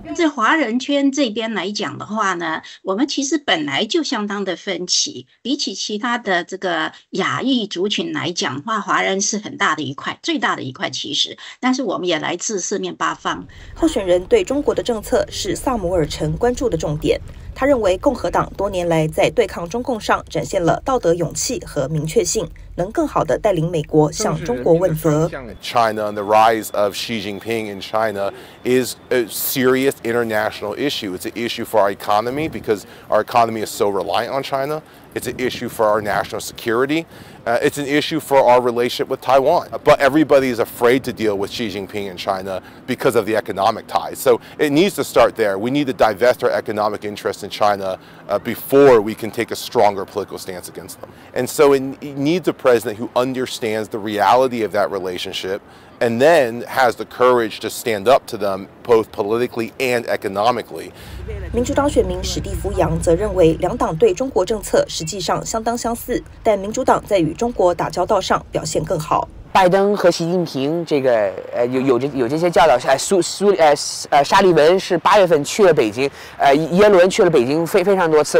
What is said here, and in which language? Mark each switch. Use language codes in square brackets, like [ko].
[zh] 在华人圈这边来讲的话呢，我们其实本来就相当的分歧，比起其他的这个亚裔族群来讲的话，华人是很大的一块，最大的一块其实，但是我们也来自四面八方。候选人对中国的政策是萨姆尔臣关注的重点，他认为共和党多年来在对抗中共上展现了道德勇气和明确性，能更好地带领美国向中国问责。 [en] China and the rise of Xi Jinping in China is a serious international issue. It's an issue for our economy because our economy is so reliant on China. It's an issue for our national security. It's an issue for our relationship with Taiwan. But everybody is afraid to deal with Xi Jinping in China because of the economic ties. So it needs to start there. We need to divest our economic interests in China before we can take a stronger political stance against them. And so it needs a president who understands the reality of that relationship and then has the courage to stand up to them both politically and economically. [zh] 民主党选民史蒂夫杨则认为两党对中国政策实际上相当相似，但民主党在与中国打交道上表现更好。拜登和习近平这个有这些教导，沙利文是八月份去了北京，耶伦去了北京非常多次。